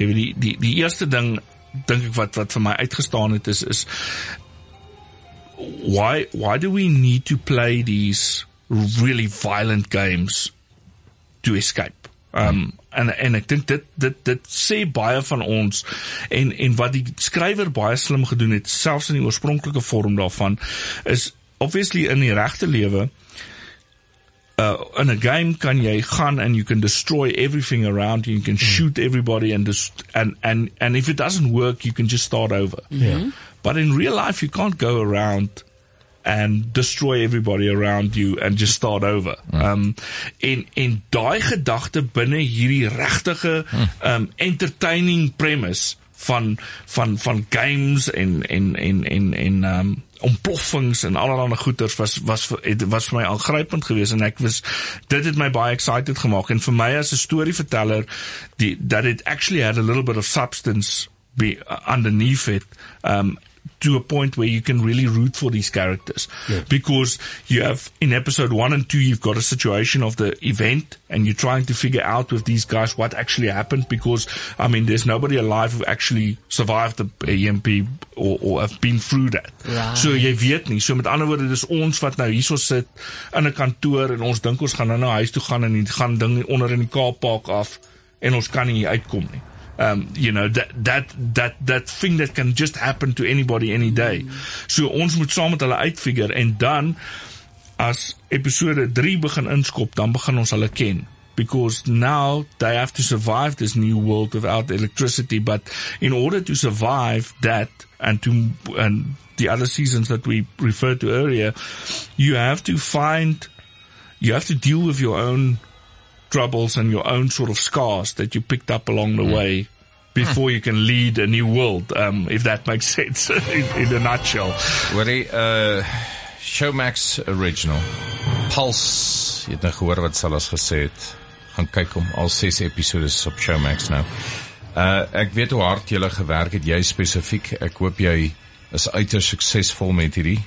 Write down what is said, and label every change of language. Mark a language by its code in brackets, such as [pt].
[af] Jy weet die eerste ding dink ek wat vir my uitgestaan het is [en] why do we need to play these really violent games to escape? [af] En ek dink dit sê baie van ons en wat die skrywer baie slim gedoen het, selfs in die oorspronklike vorm daarvan, is obviously in die regte lewe [en] In a game, [af] kan jy gaan [en] and you can destroy everything around you. You can shoot everybody and if it doesn't work, you can just start over. Yeah. But in real life, you can't go around and destroy everybody around you and just start over. [af] In daai gedagte binne hierdie regtige entertaining premise van games en ontploffings en allerlei goeders was vir my aangrypend geweest en ek was dit het my baie excited gemaak en vir my as 'n storyverteller [en] that it actually had a little bit of substance be underneath it to a point where you can really root for these characters. Yeah. Because you have, in episode 1 and 2, you've got a situation of the event, and you're trying to figure out with these guys what actually happened, because, I mean, there's nobody alive who actually survived the EMP or have been through that. Right. [af] So jy weet nie. So met ander woorde, dis ons wat nou hierso sit in 'n kantoor, en ons dink ons gaan nou huis toe gaan, en gaan ding onder in die Kaappark af, en ons kan nie uitkom nie. [en] You know, that thing that can just happen to anybody any day. [af] So ons moet saam met hulle uitfigure, en dan as episode 3 begin inskop, dan begin ons hulle ken, [en] because now they have to survive this new world without electricity. But in order to survive that and the other seasons that we referred to earlier, you have to deal with your own troubles and your own sort of scars that you picked up along the way before you can lead a new world, if that makes sense in a nutshell. Woody, Showmax original. [af] Pulse, jy het nou gehoor wat Salas gesê het. Gaan kyk om al 6 episodes op Showmax nou. Ek weet hoe hard jy gewerk het, jy spesifiek. Ek hoop jy is uiters suksesvol met hierdie.